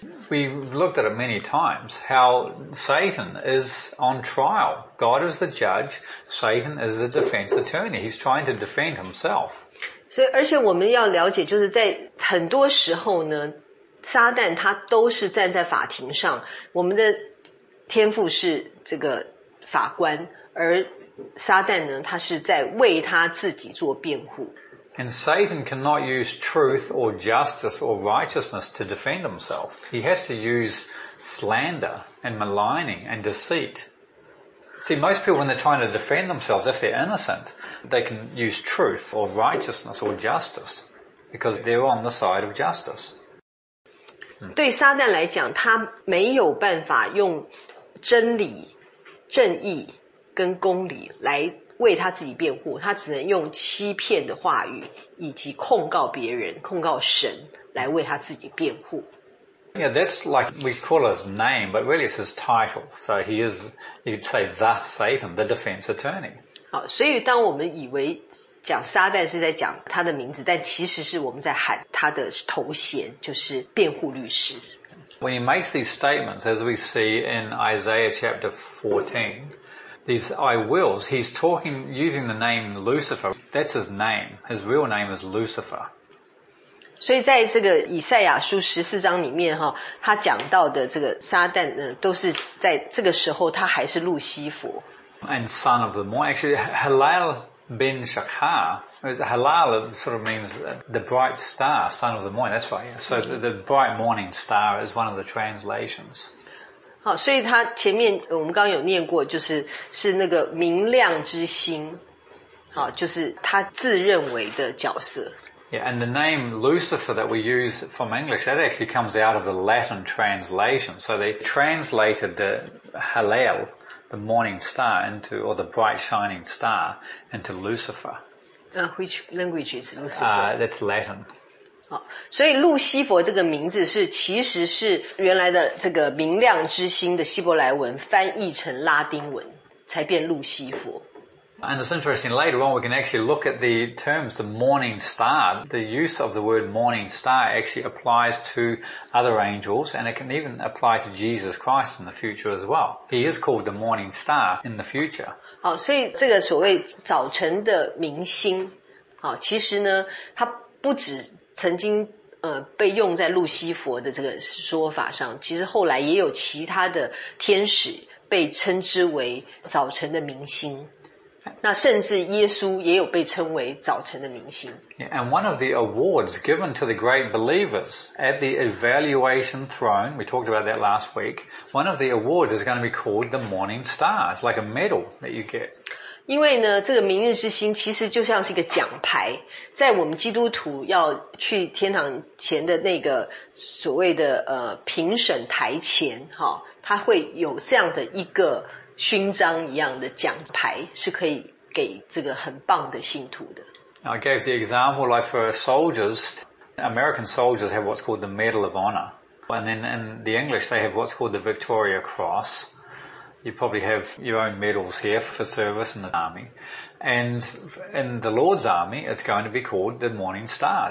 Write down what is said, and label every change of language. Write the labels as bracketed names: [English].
[English] We've looked at it many times, how Satan is on trial. God is the judge, Satan is the defense attorney. He's trying to defend himself. [Chinese] 所以而且我们要了解就是在很多时候呢，撒旦他都是站在法庭上，我们的天父是这个法官，而撒旦呢，他是在为他自己做辩护。 [English] And Satan cannot use truth or justice or righteousness to defend himself. He has to use slander and maligning and deceit. See, most people when they're trying to defend themselves, if they're innocent, they can use truth or righteousness or justice because they're on the side of justice. [Chinese] 对撒旦来讲，他没有办法用真理、正义跟公理来为他自己辩护，他只能用欺骗的话语以及控告别人、控告神来为他自己辩护。 [English] Yeah, that's like we call his name, but really it's his title. So he is, you could say, the Satan, the defense attorney. [Chinese] 好，所以当我们以为讲撒旦是在讲他的名字，但其实是我们在喊他的头衔，就是辩护律师。 [English] When he makes these statements, as we see in Isaiah chapter 14,These I wills, he's talking, using the name Lucifer. That's his name. His real name is Lucifer. [Chinese] 所以在这个以赛亚书十四章里面哈，他讲到的这个撒旦呢，都是在这个时候他还是路西弗。 [English] And son of the morning, actually Hillel ben Shakar. Hillel sort of means the bright star, son of the morning. That's right. So the bright morning star is one of the translations. [Chinese] 好，所以他前面我们刚刚有念过，就是是那个明亮之星。好，就是他自认为的角色。 [English] Yeah, and the name Lucifer that we use from English, that actually comes out of the Latin translation. So they translated the Hillel, the morning star, into, or the bright shining star, into Lucifer. Which language is Lucifer? That's Latin. [Chinese] 好，所以路西佛这个名字是，其实是原来的这个明亮之星的希伯来文翻译成拉丁文，才变路西佛。 [English] And it's interesting, later on we can actually look at the terms, the morning star. The use of the word morning star actually applies to other angels, and it can even apply to Jesus Christ in the future as well. He is called the morning star in the future. [Chinese] 好，所以这个所谓早晨的明星，好，其实呢，它不只曾经被用在路西佛的这个说法上，其实后来也有其他的天使被称之为早晨的明星。那甚至耶稣也有被称为早晨的明星。 [English] Yeah, and one of the awards given to the great believers at the evaluation throne, we talked about that last week, one of the awards is going to be called the morning star. It's like a medal that you get. [Chinese] 因为呢，这个明日之星其实就像是一个奖牌，在我们基督徒要去天堂前的那个所谓的评审台前，哈，它会有这样的一个勋章一样的奖牌是可以给这个很棒的信徒的。 [English] I gave the example like for soldiers, American soldiers have what's called the Medal of Honor. And then in the English, they have what's called the Victoria Cross. You probably have your own medals here for service in the army. And in the Lord's army, it's going to be called the Morning Star.